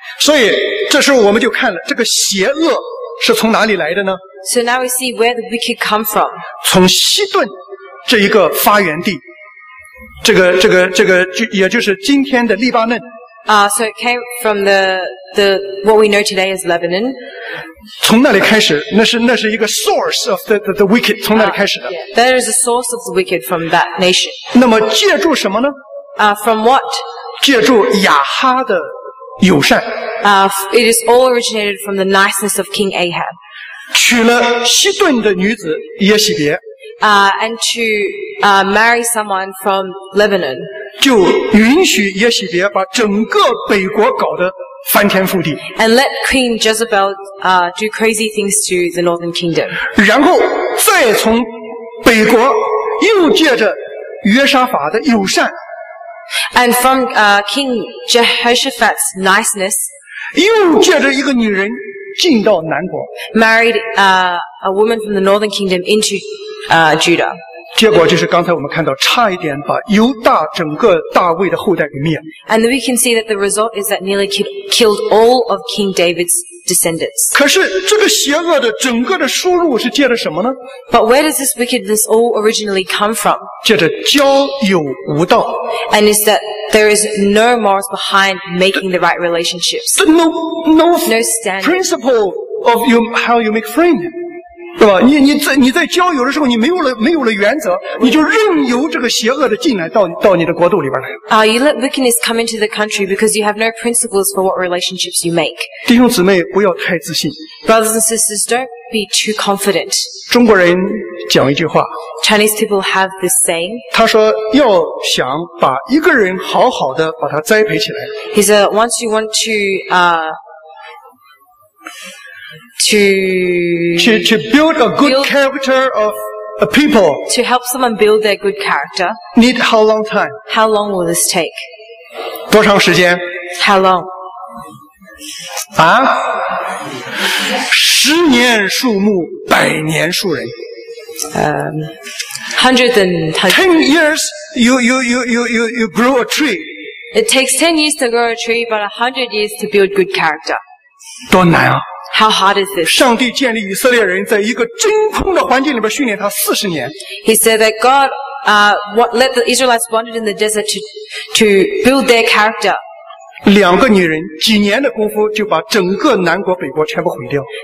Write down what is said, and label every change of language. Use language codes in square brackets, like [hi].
[zh] 所以这时候我们就看了这个邪恶是从哪里来的呢？ [en] So now we see where the wicked come from. [zh] 从西顿这一个发源地，这个也就是今天的黎巴嫩。 [en] So it came from the what we know today as Lebanon. [zh] 从那里开始，那是一个 [en] source of the wicked， [zh] 从那里开始的。 [en] Yeah, there is a source of the wicked from that nation. [zh] 那么借助什么呢？ [en] From what? [zh] 借助亚哈的友善。 [en] It is all originated from the niceness of King Ahab. [zh] 娶了西顿的女子耶洗别。 [en] And to marry someone from Lebanon. [zh] 就允许耶洗别把整个北国搞得翻天覆地。 [en] And let Queen Jezebel do crazy things to the northern kingdom. [zh] 然后再从北国又借着约沙法的友善。 [en] And from King Jehoshaphat's niceness. [zh] 又借着一个女人进到南国。 [en] Married a woman from the northern kingdom into Judah. [zh] 结果就是刚才我们看到差一点把犹大整个大卫的后代给灭了。 [en] And we can see that the result is that nearly killed all of King David's descendants. [zh] 可是这个邪恶的整个的输入是借着什么呢？ [en] But where does this wickedness all originally come from? [zh] 借着交友无道。 [en] And is that there is no morals behind making the right relationships. No standard. Principle of how you make friends. [zh] 对吧？你在交友的时候，你没有了原则，你就任由这个邪恶的进来到你的国度里边来。 [en] You let wickedness come into the country because you have no principles for what relationships you make. [zh] 弟兄姊妹，不要太自信。 [en] Brothers and sisters, don't be too confident. [zh] 中国人讲一句话。 [en] Chinese people have this saying. [zh] 他说，要想把一个人好好的把他栽培起来。 [en] He said, once you want to To build a good character of a people. To help someone build their good character. Need how long time? How long will this take? [zh] 多长时间？ [en] How long? [zh] 啊？十年树木，百年树人。 [en] Hundred and ten years. You grow a tree. It takes 10 years to grow a tree, but 100 years to build good character. [zh] 多难啊！ [en] How hard is this? [zh] 上帝建立以色列人在一个真空的环境里边训练他40年。 [en] He said that God let the Israelites wander in the desert to build their character. [zh] 两个女人几年的功夫就把整个南国北国全部毁掉。